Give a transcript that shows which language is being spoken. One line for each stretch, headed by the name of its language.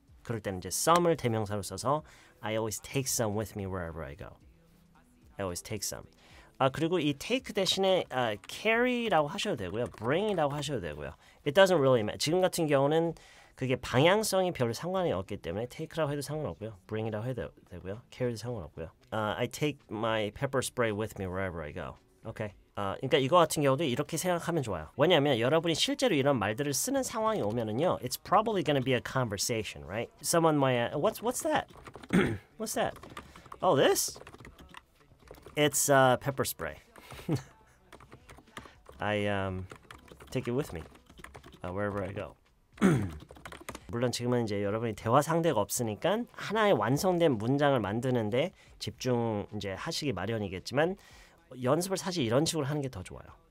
Korean: 그럴 때는 이제 some을 대명사로 써서
English: I always take some with me wherever I go. I always take some.
Korean: 아 그리고 이 take 대신에 carry라고 하셔도 되고요. bring이라고 하셔도 되고요.
English: It doesn't really matter.
Korean: 지금 같은 경우는 그게 방향성이 별로 상관이 없기 때문에 take라고 해도 상관없고요. bring이라고 해도 되고요. carry도 상관없고요.
English: I take my pepper spray with me wherever I go. Okay.
Korean: 그러니까 이거 같은 경우도 이렇게 생각하면 좋아요. 왜냐하면 여러분이 실제로 이런 말들을 쓰는 상황이 오면은요,
English: it's probably going to be a conversation, right? Someone might ask, what's that? what's that? Oh, this? It's pepper spray. I take it with me wherever I go.
Korean: 물론 지금은 이제 여러분이 대화 상대가 없으니까 하나의 완성된 문장을 만드는데 집중 이제 하시기 마련이겠지만. 연습을 사실 이런 식으로 하는 게 더 좋아요.